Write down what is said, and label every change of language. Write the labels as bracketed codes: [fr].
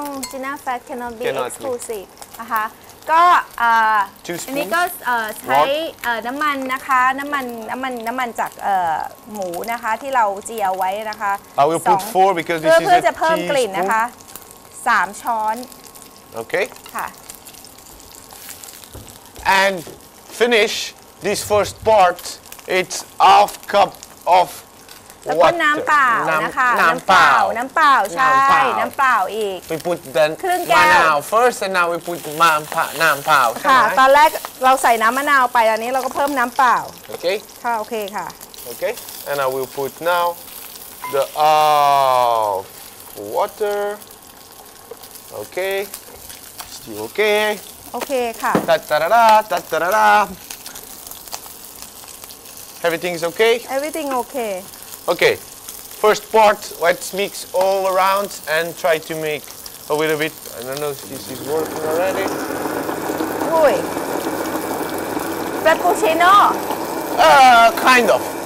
[en] Gina fat cannot be exclusive. Aha. ก็ 2 spoons. อัน [th] นี้ก็ใช้น้ำมันนะคะน้ำมันจากหมูนะคะที่เราเจียวไว้นะคะ [en] I will put 4 because this is a teaspoon. [th] เพื่อจะเพิ่มกลิ่นนะคะ3ช้อน [en] Okay. [th] ค่ะ [en] And finish this first part. It's half cup of [th] แล้วก็น้ำเปล่านะคะ น้ำเปล่า ใช่น้ำเปล่าอีก [en] we put the [th] ครึ่งแก้ว [en] มะนาว first and now we put มะนาวน้ำเปล่า [th] ค่ะตอนแรกเราใส่น้ำมะนาวไปตอนนี้เราก็เพิ่มน้ำเปล่า โอเค ค่ะโอเคค่ะ [en] โอเค and I will put now the half water okay still okay [th] โอเคค่ะ [en] ตัดตระตัดตระ everything is okay everything okay Okay, first part, let's mix all around and try to make a little bit. I don't know if this is working already. Uy. Frappuccino. Kind of.